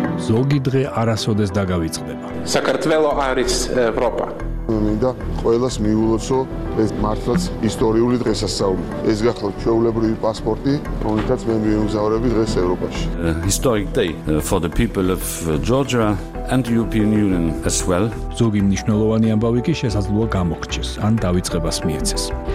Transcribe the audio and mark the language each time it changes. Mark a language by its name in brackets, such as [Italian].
[Georgian] ზოგი დღე არასოდეს დაგავიწყდება. საქართველო არის ევროპა. მინდა ყოველას მიულოცო ეს მართლაც ისტორიული დღესასწაული. ეს გახლავთ ჩვეულებრივი პასპორტი, რომელიც მე მივემგზავრები დღეს ევროპაში. [English] Historic day for the people of Georgia and the European Union as well. [Georgian] ზოგი მნიშვნელოვანი ამბავი კი შესაძლოა გამოგჩეს ან დავიწყებას მიეცეს.